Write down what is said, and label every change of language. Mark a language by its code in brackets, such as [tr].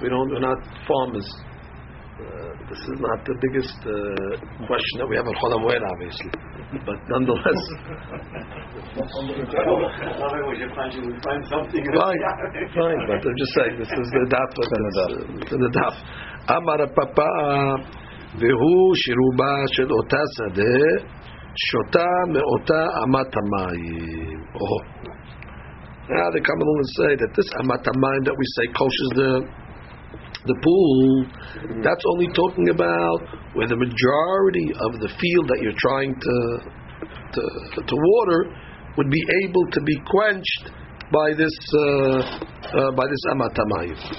[en] We're not farmers. This is not the biggest question that we have in Chol HaMoed, obviously. But nonetheless. Fine, but I'm just saying, this is the daf. It's in the daf. Amarapapa. [he] והוא שירובה של אותה שדה שותה מאותה אמת המים. [en] Oh. Now they come along and say that this amat amayim that we say kosher is the the pool. That's only talking about where the majority of the field that you're trying to water would be able to be quenched by this amatamayim.